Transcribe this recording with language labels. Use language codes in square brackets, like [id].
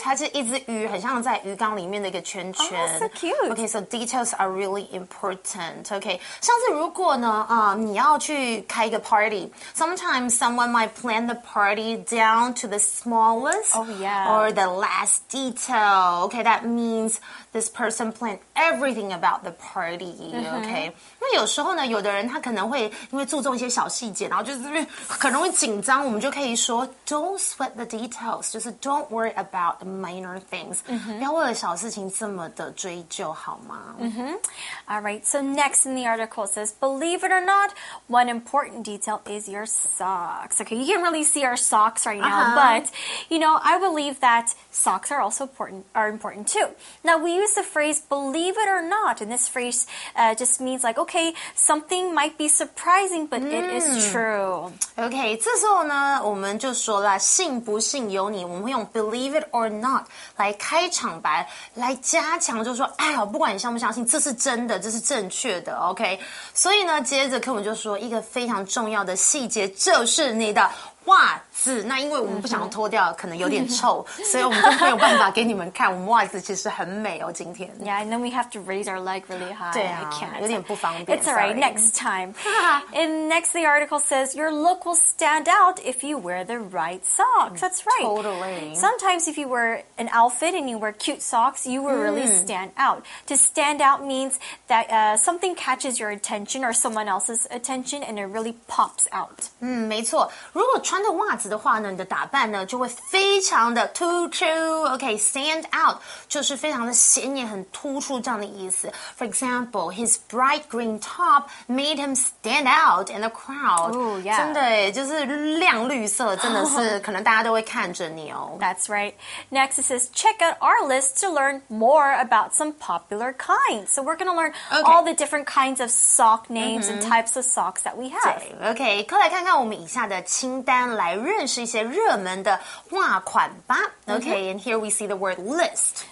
[zh] 它是一只鱼很像在鱼缸里面的一个圈圈 [en] Oh, so cute OK, so details are really important OK, [zh] 像是如果呢、你要去开一个 [en] party Sometimes someone might plan the party down to the smallest Oh, yeah Or the last detail OK, that means this person planned everything about the party、mm-hmm. [zh] OK, 那有时候呢有的人他可能会因为注重一些小细节，然后就是很容易紧张，我们就可以说 [en] "Don't sweat the details," [zh] 就是 [en] "Don't worry about the minor things."、 [zh] Mm-hmm. 不要为了小事情这么的追究，好吗、 [en] mm-hmm. ？All right. So next in the article says, "Believe it or not, one important detail is your socks." Okay, you can't really see our socks right now,、uh-huh. but you know, I believe that socks are also important too. Now we use the phrase "believe it or not," and this phrase、just means like, okay, something might be surprising, but it is true. [zh] OK, 这时候呢我们就说了信不信由你我们会用 [en] believe it or not [zh] 来开场白来加强就说哎呦不管你相不相信这是真的这是正确的 OK, 所以呢接着课文就说一个非常重要的细节就是你的袜子那因为我们不想要脱掉、mm-hmm. 可能有点臭所以我们都没有办法给你们看我们袜子其实很美哦今天 [en] Yeah, and then we have to raise our leg really high [zh] 对啊 [en] can't. [zh] 有点不方便 [en] It's alright, next time And next the article says Your look will stand out if you wear the right socks That's right Totally Sometimes if you wear an outfit and you wear cute socks You will really stand out To stand out means that something catches your attention Or someone else's attention And it really pops out [zh] 没错如果穿着袜子的话呢你的打扮呢就会非常的突出 OK, stand out 就是非常的显眼很突出这样的意思 [en] For example, his bright green top made him stand out in the crowd Ooh, yeah. [zh] 真的耶就是亮绿色真的是可能大家都会看着你哦 [en] That's right Next it says Check out our list to learn more about some popular kinds So we're gonna learn、okay. all the different kinds of sock names、mm-hmm. and types of socks that we have [zh] OK, 快来看看我们以下的清单来认识一些热门的袜款吧 [en] Okay, and here we see the word list